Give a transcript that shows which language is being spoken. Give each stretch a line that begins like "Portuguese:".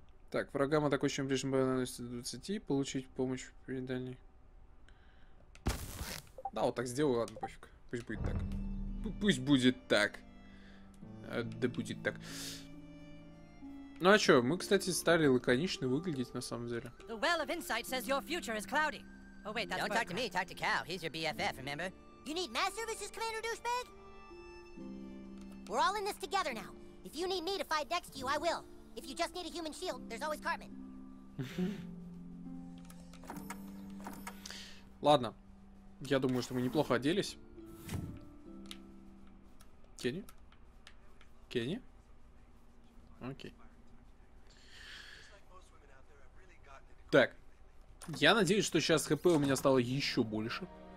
Russian: Так, врагам атакующим ближним бою наносит 20, получить помощь при дальней. Да, вот так сделаю, ладно, пофиг. Пусть будет так. Пусть будет так. Да будет так. Ну а чё, мы, кстати, стали лаконично выглядеть на самом деле.
English: The well of insight says your future is cloudy. Oh wait, that's don't talk to me, talk to Cal. He's your BFF, remember? You need my services, Commander Douchebag? We're all in this together now. If you need me to fight next to you, I will. If you just need a human shield, there's always Cartman.
Russian: Ладно. Я думаю, что мы неплохо оделись. Кенни? Кенни? Окей. Так. Я надеюсь, что сейчас ХП у меня стало еще больше.